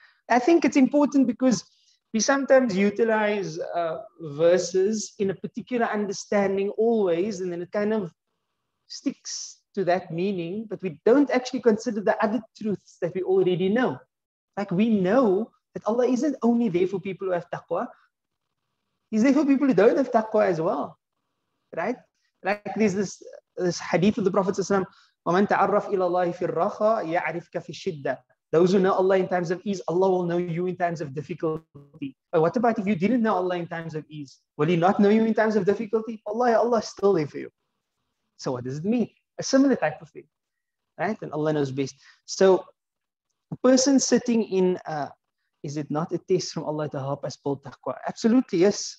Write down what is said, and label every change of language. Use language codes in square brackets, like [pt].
[en] I think it's important because we sometimes utilize verses in a particular understanding always, and then it kind of sticks to that meaning, but we don't actually consider the other truths that we already know. Like, we know that Allah isn't only there for people who have taqwa. He's there for people who don't have taqwa as well. Right? Like, there's this hadith of the Prophet [ar] ﷺ, وَمَنْ تَعَرَّفْ إِلَى اللَّهِ فِي الرَّخَاءِ يَعْرِفْكَ فِي الشِّدَّةِ. [en] Those who know Allah in times of ease, Allah will know you in times of difficulty. But what about if you didn't know Allah in times of ease? Will He not know you in times of difficulty? Allah is still there for you. So what does it mean? A similar type of thing. Right? And Allah knows best. So, a person sitting in, is it not a test from Allah to help us build taqwa? Absolutely, yes.